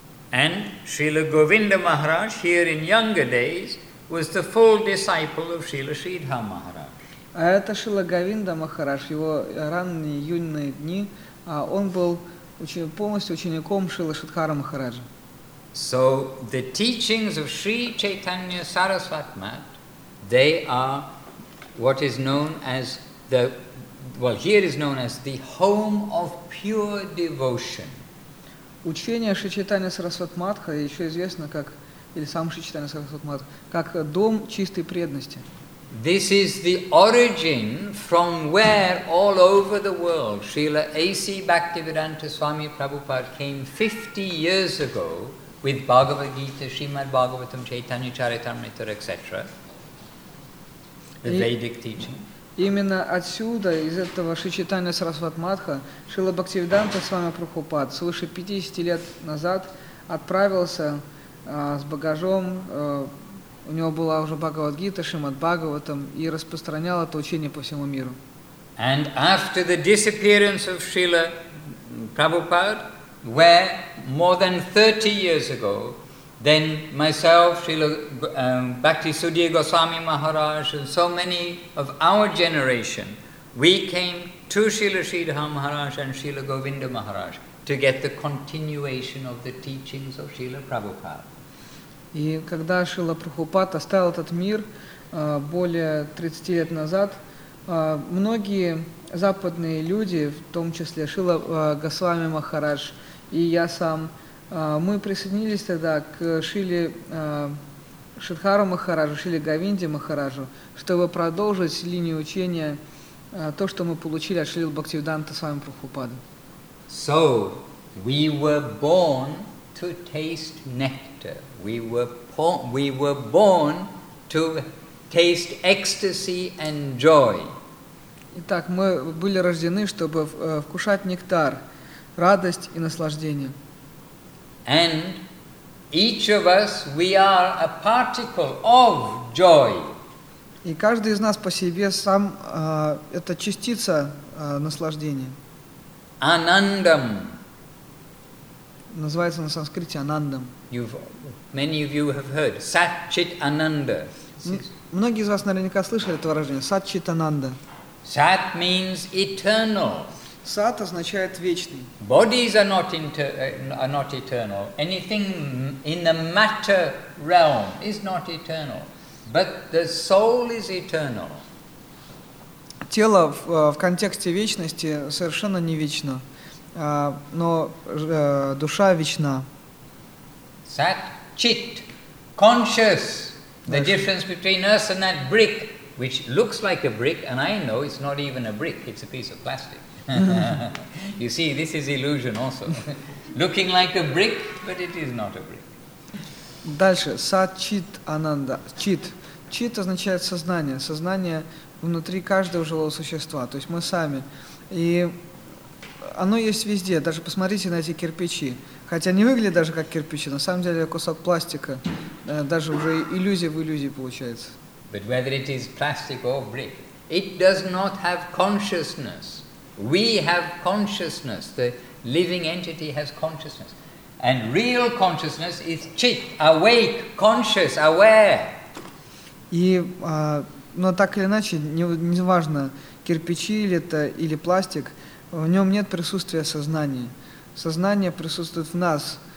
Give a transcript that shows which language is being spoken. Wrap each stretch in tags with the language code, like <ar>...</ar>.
<en>And Шрила Говинда Махарадж here in younger days was the full disciple of Шрила Шридхар Махарадж.</en> <ru>А это Шрила Говинда Махарадж, его ранние юные дни, он был полностью учеником Шрила Шридхара Махараджа.</ru> <en>So the teachings of Sri Chaitanya Saraswati Math, they are what is known as the home of pure devotion.</en> <ru>Учение Шри Чайтанья Сарасвати Матха еще известно как, или сам Шри Чайтанья Сарасвати Матха, как дом чистой преданности.</ru> <en>This is the origin from where all over the world Srila A.C. Bhaktivedanta Swami Prabhupada came 50 years ago with Bhagavad Gita, Srimad Bhagavatam, Chaitanya Charitamrita, etc. The Vedic teaching.</en> <ru>Именно отсюда, из этого Шри Чайтанья Сарасвати Матха, Шрила Бхактивиданта Свами Прабхупад свыше 50 лет назад отправился с багажом. У него была уже Бхагавад-гита, Шримад-Бхагаватам, и распространял это учение по всему миру.</ru> <en>And after the disappearance of Srila Prabhupada, where more than 30 years ago, then myself, Srila Bhakti Sudhir Goswami Maharaj, and so many of our generation, we came to Srila Sridhar Maharaj and Srila Govinda Maharaj to get the continuation of the teachings of Srila Prabhupada.</en> <ru>И когда Шрила Прабхупад оставил этот мир более 30 лет назад, многие западные люди, в том числе Шрила Госвами Махарадж и я сам, мы присоединились тогда к Шриле Шридхару Махараджу, Шриле Говинде Махараджу, чтобы продолжить линию учения, то, что мы получили от Шрилы Бхактивиданта Свами Прабхупады.</ru> <en>So, we were born to taste nectar. We were born to taste ecstasy and joy.</en> <ru>Итак, мы были рождены, чтобы вкушать нектар, радость и наслаждение.</ru> <en>And each of us, we are a particle of joy.</en> <ru>И каждый из нас по себе сам это частица наслаждения. Анандам. Называется на санскрите анандам.</ru> <en>Many of you have heard Satchit Ananda.</en> <ru>Многие из вас наверняка слышали это выражение Satchit Ananda.</ru> <en>Sat means eternal.</en> <ru>Sat означает вечный.</ru> <en>Bodies are not eternal. Anything in the matter realm is not eternal, but the soul is eternal.</en> <ru>Тело в контексте вечности совершенно не вечно, но душа вечна.</ru> <en>Sat chit, conscious. The difference between us and that brick, which looks like a brick, and I know it's not even a brick, it's a piece of plastic. You see, this is illusion also. Looking like a brick, but it is not a brick.</en> <ru>Дальше. Sat chit ananda. Chit. Chit означает сознание. Сознание внутри каждого живого существа. То есть мы сами. И оно есть везде. Даже посмотрите на эти кирпичи. Хотя не выглядит даже как кирпичи, на самом деле кусок пластика, даже уже иллюзия в иллюзии получается.</ru> <en>But whether it is plastic or brick, It does not have consciousness. We have consciousness. The living entity has consciousness. And real consciousness is chit, awake, conscious, aware.</en> <ru>И, но так или иначе, неважно, кирпичи ли это или пластик, в нем нет присутствия сознания. Сознание присутствует в нас.</ru>